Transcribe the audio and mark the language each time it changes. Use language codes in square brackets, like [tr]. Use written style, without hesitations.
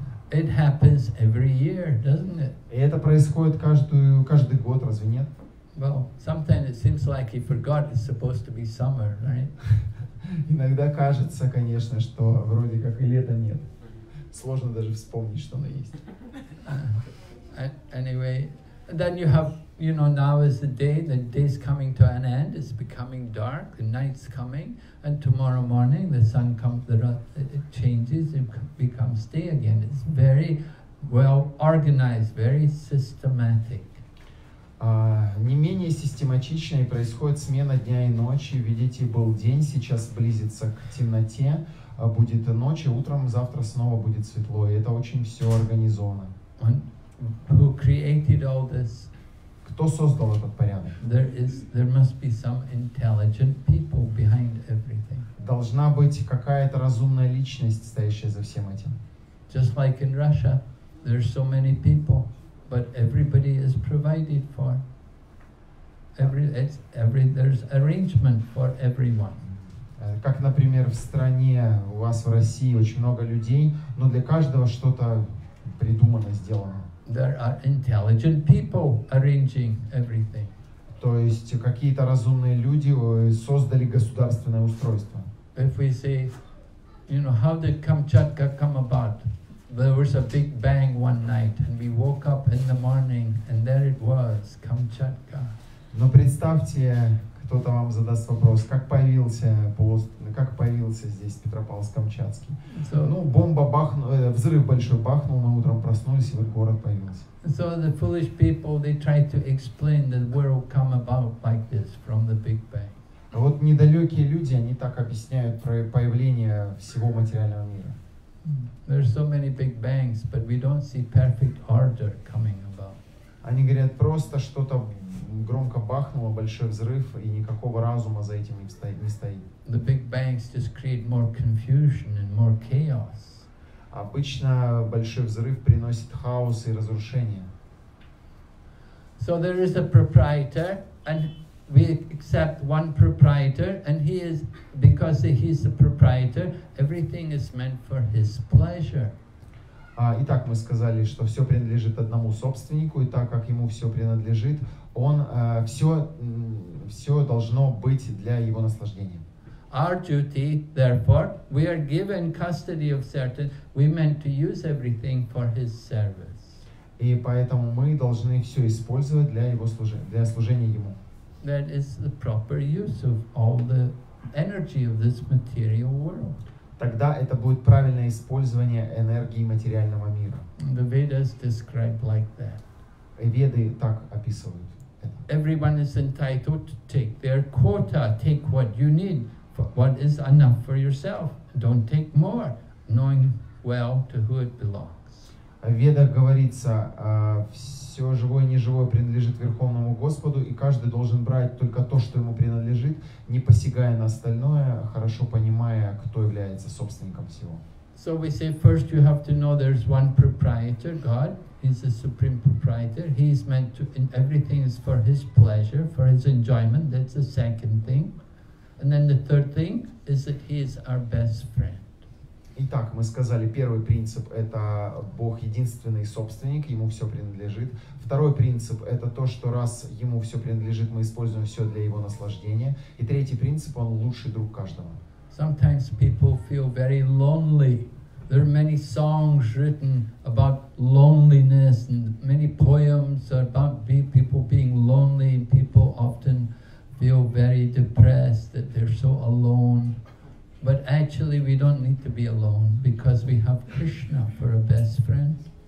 [en] It happens every year, doesn't it? [ru] И это происходит каждый год, разве нет? [en] Well, sometimes it seems like he forgot it's supposed to be summer, right? [ru] Иногда кажется, конечно, что вроде как и лета нет. Сложно даже вспомнить, что оно есть. [en] Anyway, then you have, you know, now is the day is coming to an end, it's becoming dark, the night's coming, and tomorrow morning the sun comes, it changes, it becomes day again. It's very well organized, very systematic. [ru] Не менее систематично и происходит смена дня и ночи. Видите, был день, сейчас близится к темноте, будет ночь, и утром завтра снова будет светло. И это очень все организовано. [en] Who created all this? [ru] Кто создал этот порядок? [en] There must be some intelligent people behind everything. [ru] Должна быть какая-то разумная личность, стоящая за всем этим. [en] Just like in Russia, there's so many people. But everybody is provided for. There's arrangement for everyone. [ru] Как, например, в стране у вас в России очень много людей, но для каждого что-то придумано, сделано. [en] There are intelligent people arranging everything. [ru] То есть какие-то разумные люди создали государственное устройство. [en] If we say, you know, how did Kamchatka come about? There was a big bang one night, and we woke up in the morning, and there it was, Kamchatka. [ru] Но представьте, кто-то вам задаст вопрос, как появился здесь Петропавловск-Камчатский? So, ну, бомба бахнула, взрыв большой бахнул, мы утром проснулись, и вот город появился. [en] So the foolish people, they try to explain that the world come about like this, from the big bang. [ru] А вот недалекие люди, они так объясняют про появление всего материального мира. [en] There's so many big bangs, but we don't see perfect order coming about. [ru] Они говорят, просто что-то громко бахнуло, большой взрыв, и никакого разума за этим не стоит. [en] The big bangs just create more confusion and more chaos. [ru] Обычно большой взрыв приносит хаос и разрушение. [en] So there is a proprietor, and we accept one proprietor, and he is, because he is the proprietor, everything is meant for his pleasure. [ru] Итак, мы сказали, что все принадлежит одному собственнику, и так как ему все принадлежит, он все должно быть для его наслаждения. [en] Our duty, therefore, we are given custody of certain, we meant to use everything for his service. [ru] И поэтому мы должны все использовать для его служения, для служения ему. [en] That is the proper use of all the energy of this material world. [ru] Тогда это будет правильное использование энергии материального мира. [en] The Vedas describe like that. [ru] Веды так описывают. [en] Everyone is entitled to take their quota, take what you need, what is enough for yourself. Don't take more, knowing well to who it belongs. [ru] В Ведах говорится, все живое и неживое принадлежит Верховному Господу, и каждый должен брать только то, что ему принадлежит, не посягая на остальное, хорошо понимая, кто является собственником всего. [en] So we say first you have to know there's one proprietor, God. He's the supreme proprietor. He is meant to, and everything is for his pleasure, for his enjoyment. That's the second thing. And then the third thing is that he is our best friend. [ru] Итак, мы сказали, первый принцип – это Бог единственный собственник, ему все принадлежит. Второй принцип – это то, что раз ему все принадлежит, мы используем все для его наслаждения. И третий принцип – он лучший друг каждого. [en] Sometimes people feel very lonely. There are many songs written about loneliness, and many poems are about people being lonely, and people often feel very depressed that they're so alone. But actually, we don't need to be alone because we have Krishna for a best friend.